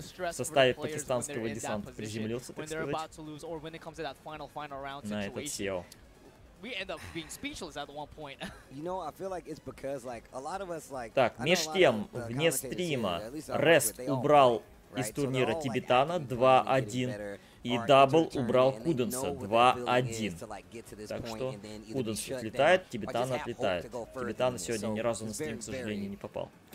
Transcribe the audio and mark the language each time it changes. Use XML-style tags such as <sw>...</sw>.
<ru>В составе пакистанского десанта приземлился, так сказать, на этот SEO.</ru> <en>We end up being speechless at one point. You know, I feel like it's because like a lot of us like.</en> <ru>Так, меж тем, вне стрима, Rest убрал из турнира Тибетана 2-1. И дабл убрал Куденса. 2-1. Так что Куденс отлетает, Тибетан отлетает. Тибетана сегодня ни разу на стрим, к сожалению, не попал.</ru>